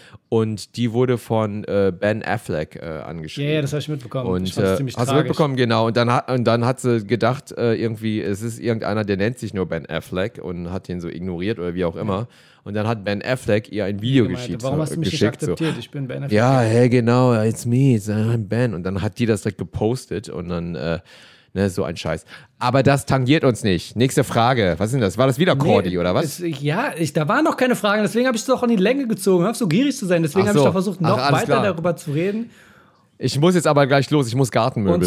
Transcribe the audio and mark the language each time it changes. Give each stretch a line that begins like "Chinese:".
German: Und die wurde von Ben Affleck angeschrieben. Ja, das habe ich mitbekommen. Und, ich fand das ziemlich hast du mitbekommen, genau. Und dann hat sie gedacht, irgendwie, es ist irgendeiner, der nennt sich nur Ben Affleck und hat den so ignoriert oder wie auch immer. Und dann hat Ben Affleck ihr ein Video geschickt. Warum hast du mich geschickt, nicht akzeptiert? So. Ich bin Ben Affleck. Ja, hey, genau,
English: it's me, it's Ben.
German: Und dann hat die das direkt gepostet und dann, ne, so ein Scheiß. Aber das tangiert uns nicht. Nächste Frage. Was ist denn das? War das wieder Cordy, oder was? Da waren noch keine Fragen. Deswegen habe ich es doch in die Länge gezogen. Hör auf, so gierig zu sein. Deswegen habe ich doch versucht, noch weiter darüber zu reden. Ich muss jetzt aber gleich los. Ich muss Gartenmöbel